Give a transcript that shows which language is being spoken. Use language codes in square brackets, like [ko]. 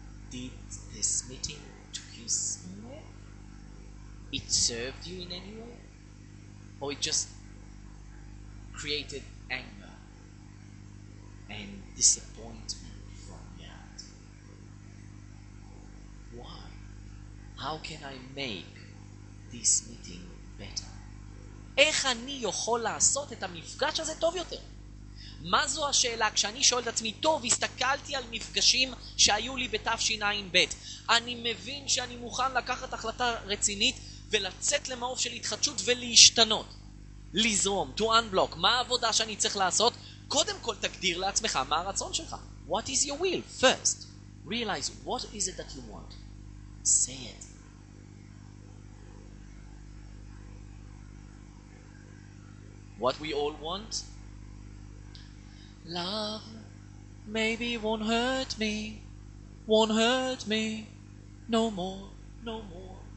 [en] Did this meeting took you somewhere? It served you in any way? Or it just created anger and disappointment from that. Why? How can I make this meeting better? [he] איך אני יכול לעשות את המפגש הזה טוב יותר? מה זו השאלה? כשאני שואל את עצמי, טוב, הסתכלתי על מפגשים שהיו לי בתשע"ב. אני מבין שאני מוכן לקחת החלטה רצינית ולצאת למעוף של התחדשות ולהשתנות. לזרום, [en] to unblock. [he] מה העבודה שאני צריך לעשות? קודם כל תגדיר לעצמך מה הרצון שלך. [en] What is your will? First, realize what is it that you want. Say it. What we all want? Love, maybe won't hurt me, won't hurt me, no more, no more.